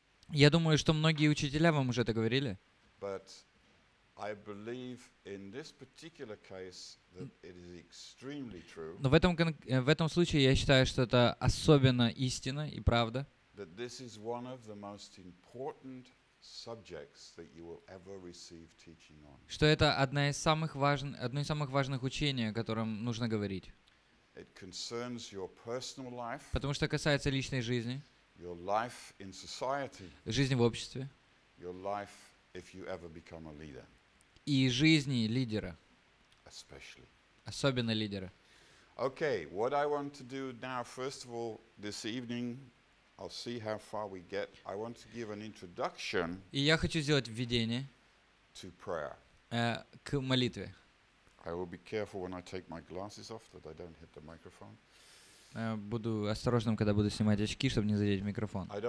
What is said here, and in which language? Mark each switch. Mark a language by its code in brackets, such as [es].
[ru] Я думаю, что многие учителя вам уже это говорили. [en] But I believe in this particular case that it is extremely true. [ru] Но в этом случае я считаю, что это особенно истина и правда. [en] That this is one of the most important subjects that you will ever receive teaching on. [ru] Что это одно из самых важных учений, о котором нужно говорить. [en] It concerns your personal life. [ru] Потому что касается личной жизни. [en] Your life in society. [ru] Жизнь в обществе. [en] Your life if you ever become a leader. [ru] И жизни лидера. [en] Especially. [ru] Особенно лидера. [en] Okay, what I want to do now, first of all, this evening, I'll see how far we get. I want to give an introduction. [ru] И я хочу сделать введение. [en] To prayer. [ru] К молитве. [en] I will be careful when I take my glasses off that I don't hit the microphone. [ru] Буду осторожным, когда буду снимать очки, чтобы не задеть микрофон.